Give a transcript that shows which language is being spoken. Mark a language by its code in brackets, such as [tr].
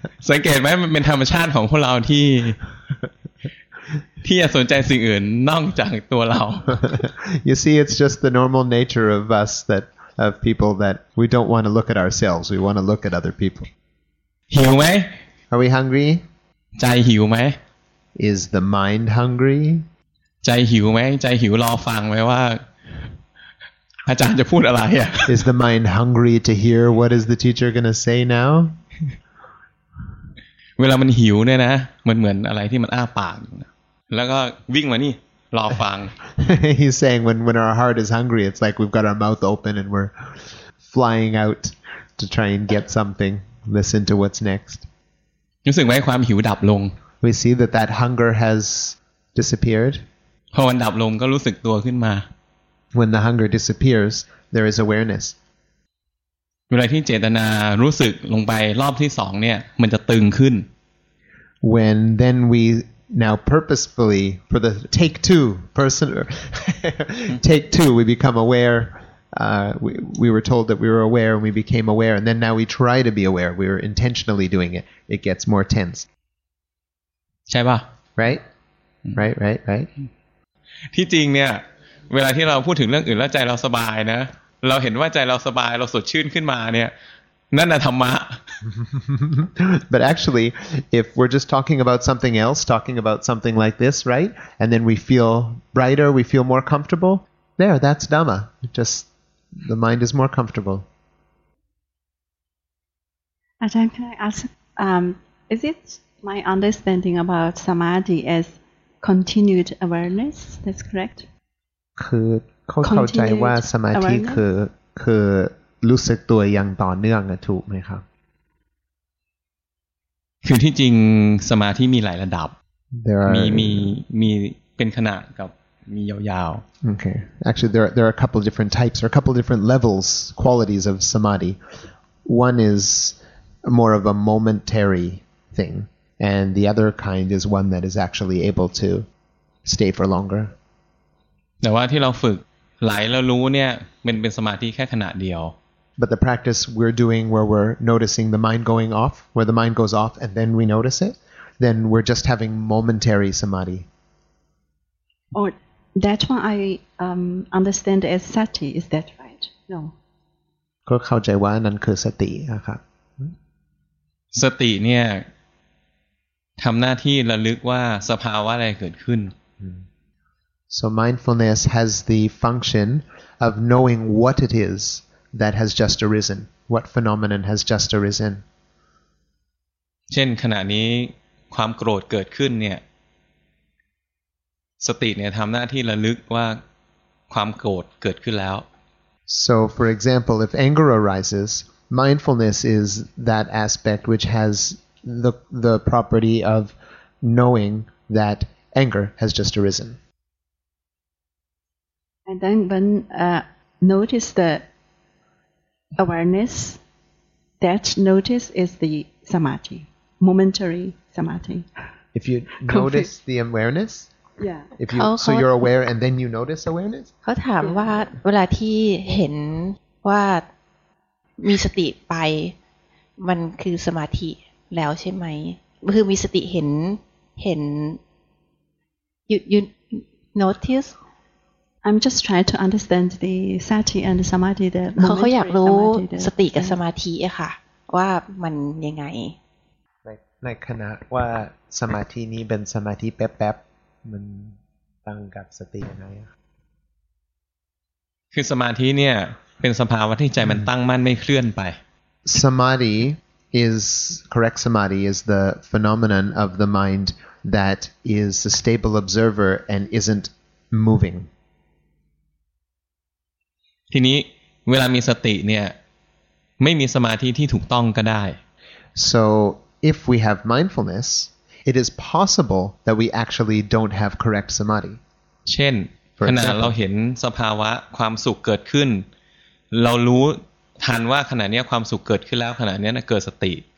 [th] สังเกตไหมมันเป็นธรรมชาติของพวกเราที่อย่าสนใจสิ่งอื่นนอกจากตัวเรา [en] You see, it's just the normal nature of us thatOf people that we don't want to look at ourselves, we want to look at other people. [th] หิวไหม [en] Are we hungry? [th] ใจหิวไหม [en] Is the mind hungry? [th] ใจหิวไหมใจหิวรอฟังไหมว่าอาจารย์จะพูดอะไรอ่ะ [en] Is the mind hungry to hear what is the teacher gonna say now? [th] เวลามันหิวเนี่ยนะมันเหมือนอะไรที่มันอ้าปากแล้วก็วิ่งมานี่รอฟัง [en] He's saying when our heart is hungry, it's like we've got our mouth open and we're flying out to try and get something. Listen to what's next. [th] รู้สึกไหมความหิวดับลง [en] We see that hunger has disappeared. [th] พอมันดับลงก็รู้สึกตัวขึ้นมา [en] When the hunger disappears, there is awareness. [th] เวลาที่เจตนารู้สึกลงไปรอบที่สองเนี่ยมันจะตึงขึ้น [en] When then weNow purposefully for the take two person take two we become aware we were told that we were aware and we became aware and then now we try to be aware we were intentionally doing it it gets more tense [th] ใช่ป่ะ [en] right [th] ที่จริงเนี่ยเวลาที่เราพูดถึงเรื่องอื่นแล้วใจเราสบายนะเราเห็นว่าใจเราสบายเราสดชื่นขึ้นมาเนี่ยนั่นน่ะธรรมะ [en] But actually, if we're just talking about something else, talking about something like this, right? And then we feel brighter, we feel more comfortable. There, that's Dhamma. Just the mind is more comfortable. Ajahn, can I ask, is it my understanding about Samadhi as continued awareness? That's correct? [th] คือเข้าใจว่าสมาธิคือรู้สึกตัวอย่างต่อเนื่องถูกไหมครับ คือที่จริงสมาธิมีหลายระดับ [en] there are [th] มีเป็นขณะกับมียาวๆ [en] okay actually there are a couple of different types or a couple of different levels qualities of samadhi one is more of a momentary thing and the other kind is one that is actually able to stay for longer [th] แต่ว่าที่เราฝึกไหลแล้วรู้เนี่ยเป็นสมาธิแค่ขณะเดียว [en] But the practice we're doing where we're noticing the mind going off, where the mind goes off and then we notice it, then we're just having momentary samadhi. Or that one I understand as sati, is that right? No. [th] ก็เข้าใจว่านั่นคือสตินะครับ สติเนี่ยทำหน้าที่ระลึกว่าสภาวะอะไรเกิดขึ้น [en] So mindfulness has the function of knowing what it isThat has just arisen. What phenomenon has just arisen? [th] เช่นขณะนี้ความโกรธเกิดขึ้นเนี่ยสติเนี่ยทำหน้าที่ระลึกว่าความโกรธเกิดขึ้นแล้ว [en] So for example, if anger arises, mindfulness is that aspect which has the property of knowing that anger has just arisen. And then when notice thatAwareness, that notice is the samadhi, momentary samadhi. If you notice the awareness, yeah. If you, so you're aware and then you notice awareness. [th] เขาถามว่าเวลาที่เห็นว่ามีสติไปมันคือสมาธิแล้วใช่ไหม คือมีสติเห็น [en] you notice I'm just trying to understand the sati and samadhi the [th] เขาอยากรู้สติกับสมาธิอะค่ะว่ามันยังไง ในขณะว่าสมาธินี้เป็นสมาธิแป๊บๆมันต่างกับสติยังไง คือสมาธิเนี่ยเป็นสภาวะที่ใจมันตั้งมั่นไม่เคลื่อนไป [en] Samadhi is correct samadhi is the phenomenon of the mind that is a stable observer and isn't moving [th] ทีนี้เวลามีสติเนี่ยไม่มีสมาธิที่ถูกต้องก็ได้ [en] So if we have mindfulness it is possible that we actually don't have correct samadhi [th] เช่นขณะเราเห็นสภาวะความสุขเกิดขึ้นเรารู้ทันว่าขณะนี้ความสุขเกิดขึ้นแล้วขณะนี้เกิดสติ